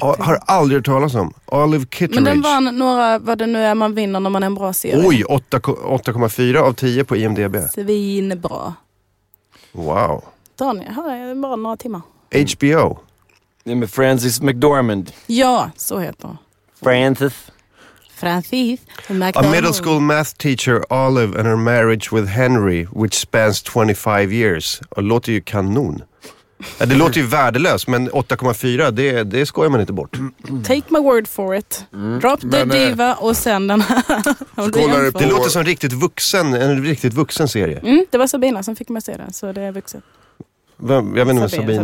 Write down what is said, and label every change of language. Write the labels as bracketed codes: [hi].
[sv] Har aldrig talat om Olive Kitteridge. Men den vann några, vad det nu är man vinner när man är en bra serie. Oj, 8,4 av 10 på IMDb. Svinbra. Wow. Daniel, här är det bara några timmar. HBO. Det är med Frances McDormand. Ja, så heter hon. Francis. [en] A middle school math teacher, Olive, and her marriage with Henry, which spans 25 years. [sv] Och det låter ju kanon. Det låter ju värdelöst, men 8,4, det skojar man inte bort. [en] Take my word for it. [sv] Drop the diva och sen den här. Det låter som en riktigt vuxen serie. Mm, det var Sabina som fick mig se den, så det är vuxet. Jag vet inte med Sabina.